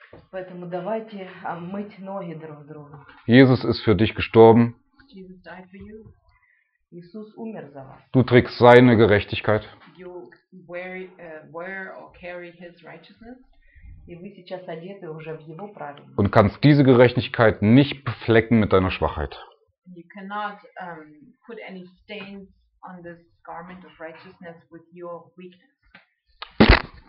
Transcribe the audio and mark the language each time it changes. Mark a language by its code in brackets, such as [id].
[ru] Поэтому давайте мыть ноги друг друга. [de] Jesus ist für dich gestorben. [en] Jesus died for you. [ru] Иисус умер за вас. [de] Du trägst seine Gerechtigkeit. [en] You wear or carry his righteousness. [ru] И вы сейчас одеты уже в его праведность. [de] Und kannst diese Gerechtigkeit nicht beflecken mit deiner Schwachheit. [en] You cannot put any stains on this garment of righteousness with your weakness.